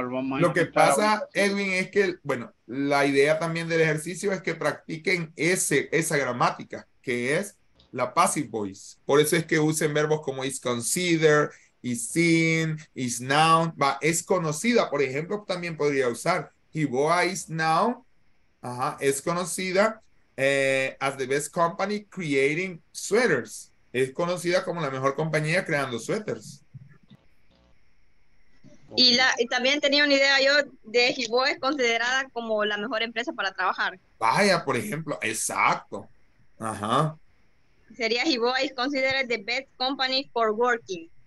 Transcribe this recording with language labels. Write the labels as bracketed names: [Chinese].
[Spanish] Lo que pasa, Edwin, es que, bueno, la idea también del ejercicio es que practiquen esa gramática, que es la passive voice. Por eso es que usen verbos como [English] is consider, is seen, is known. [Spanish] Va, es conocida, por ejemplo, también podría usar. [English] Hiboa is known. [Spanish] Ajá, es conocida [English] as the best company creating sweaters. [Spanish] Es conocida como la mejor compañía creando sweaters. [English] Okay. [Spanish] Y también tenía una idea yo de Hiboa es considerada como la mejor empresa para trabajar. Vaya, por ejemplo, exacto. Ajá. Sería [English] Hiboa is considered the best company for working.